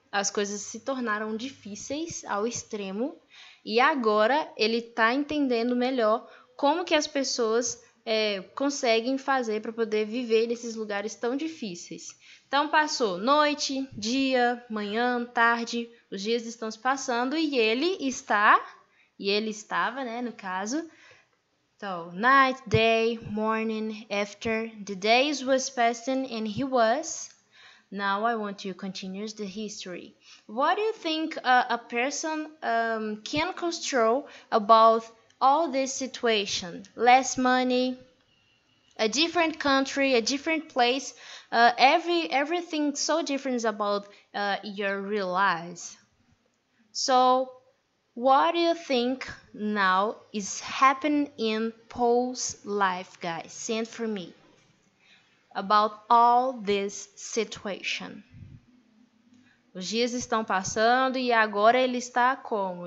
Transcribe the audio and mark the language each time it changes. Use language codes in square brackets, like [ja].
[pt] As coisas se tornaram difíceis ao extremo e agora ele tá entendendo melhor como que as pessoas... conseguem fazer para poder viver nesses lugares tão difíceis. Então, passou noite, dia, manhã, tarde, os dias estão se passando e ele estava, né, no caso. [en] Então, night, day, morning, after, the days was passing and he was. Now I want to continue the history. What do you think a person can control about all this situation, less money, a different country, a different place, everything so different about your real life. So, what do you think now is happening in Paul's life, guys? Send for me. about all this situation. [pt] Os dias estão passando e agora ele está como?